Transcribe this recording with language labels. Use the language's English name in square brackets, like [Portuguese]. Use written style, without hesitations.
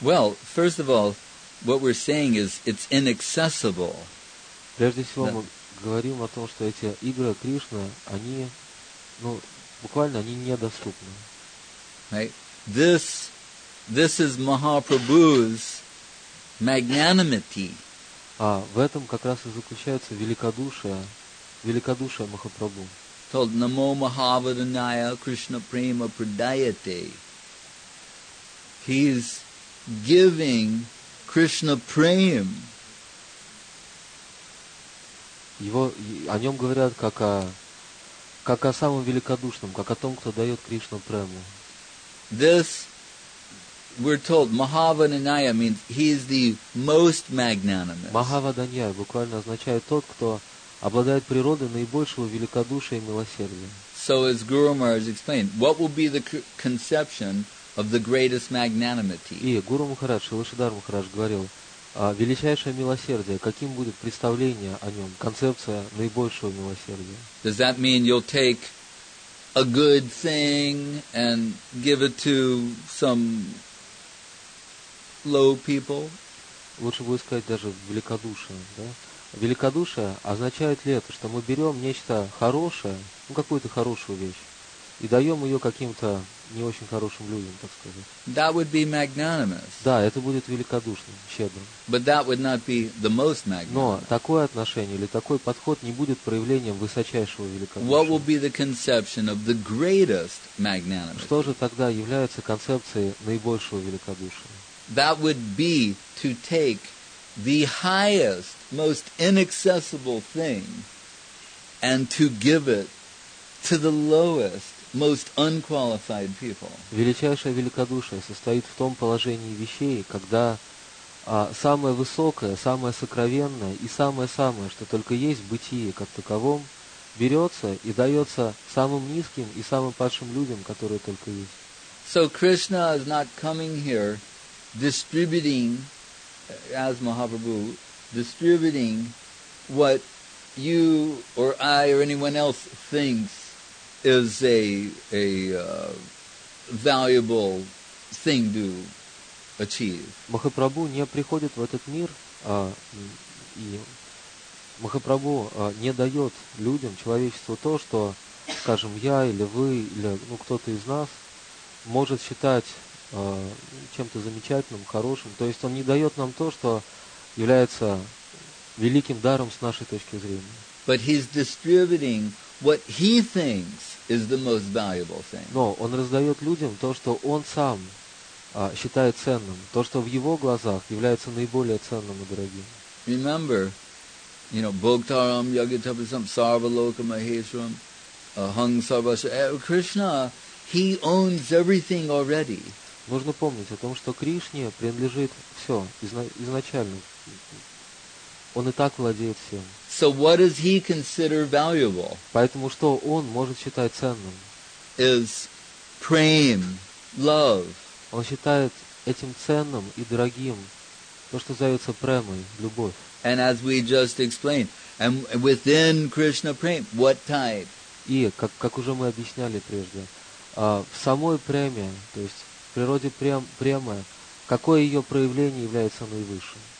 [English] Well, first of all, what we're saying is it's inaccessible. [Russian] Прежде всего, мы говорим о том, что эти игры Кришны, они, ну, буквально, они недоступны. [English] Right? This is Mahaprabhu's magnanimity. [Russian] А в этом как раз и заключается великодушие Махапрабху. [English] Told [Sanskrit] Namo Mahavadanaya Krishna Prema Pradayate. [English] He's giving Krishna Prema. [Russian] Его, о нем говорят как о самом великодушном, как о том, кто дает Кришну Прему. [English] This we're told Mahavadanaya means he is the most magnanimous. [Russian] Mahavadanaya буквально означает тот, кто обладает природой наибольшего великодушия и милосердия. [English] So as Guru Maharaj explained, what will be the conception of the greatest magnanimity? [Russian] И Гуру Махарадж, Шилышидар Махарадж говорил, величайшее милосердие, каким будет представление о нем, концепция наибольшего милосердия? [English] Does that mean you'll take a good thing and give it to some low people? [Russian] Лучше будет сказать даже великодушие, да? Великодушие означает ли это, что мы берем нечто хорошее, ну какую-то хорошую вещь, и даем ее каким-то не очень хорошим людям, так сказать? [English] That would be magnanimous. [Russian] Да, это будет великодушным, щедрым. [English] But that would not be the most magnanimous. [Russian] Но такое отношение или такой подход не будет проявлением высочайшего великодушия. [English] What will be the conception of the greatest magnanimous? [Russian] Что же тогда является концепцией наибольшего великодушия? [English] That would be to take the highest, most inaccessible thing and to give it to the lowest, most unqualified people. [Russian] Величайшее великодушие состоит в том положении вещей, когда самое высокое, самое сокровенное и самое-самое, что только есть в бытии как таковом, берется и дается самым низким и самым падшим людям, которые только есть. [English] So Krishna is not coming here distributing, as Mahaprabhu, distributing what you or I or anyone else thinks is a valuable thing to achieve. [Russian] Махапрабху не приходит в этот мир, и Махапрабху не дает людям, человечеству то, что, скажем, я или вы, или ну, кто-то из нас может считать чем-то замечательным, хорошим. То есть он не дает нам то, что является великим даром с нашей точки зрения. [English] But he's distributing what he thinks is the most valuable thing. [Russian] Но он раздает людям то, что он сам считает ценным, то, что в его глазах является наиболее ценным и дорогим. [English] Remember, you know, [Sanskrit] Bhoktaram, Yagyatapasam, Sarvaloka Maheshwaram, Ahang Sarvasya, [English] Krishna, he owns everything already. [Russian] Нужно помнить о том, что Кришне принадлежит все изначально. Он и так владеет всем. [English] So what does he consider valuable? [Russian] Поэтому что он может считать ценным? [English] Is prem, love. [Russian] Он считает этим ценным и дорогим то, что зовется премой, любовь. [English] And as we just explained, and within Krishna prem, what type? [Russian] И как уже мы объясняли прежде, в самой преме, то есть в природе премы, какое ее проявление является наивысшим?